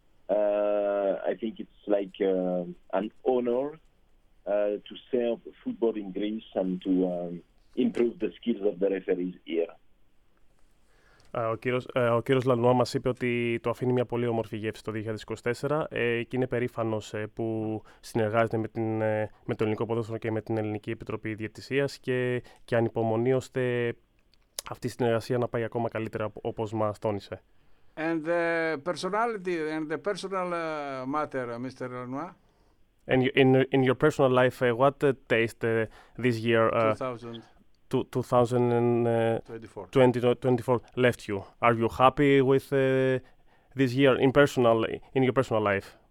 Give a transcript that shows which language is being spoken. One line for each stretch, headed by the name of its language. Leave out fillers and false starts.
English: I think it's like an honor to serve football in Greece and to improve the skills of the referees here.
Greek: Ο κύριος Λανουά μας είπε ότι το αφήνει μια πολύ όμορφη γεύση το 2024 και είναι περήφανος που συνεργάζεται με το ελληνικό ποδόσφαιρο και με την Ελληνική Επιτροπή Διαιτησίας και ανυπομονεί ώστε αυτή η συνεργασία να πάει ακόμα καλύτερα όπως μας τόνισε.
English: And the personality and the personal matter, Mr. Lanois. And in your personal life, what taste this year 2024 left you? Are you happy with this year in personal in your personal life?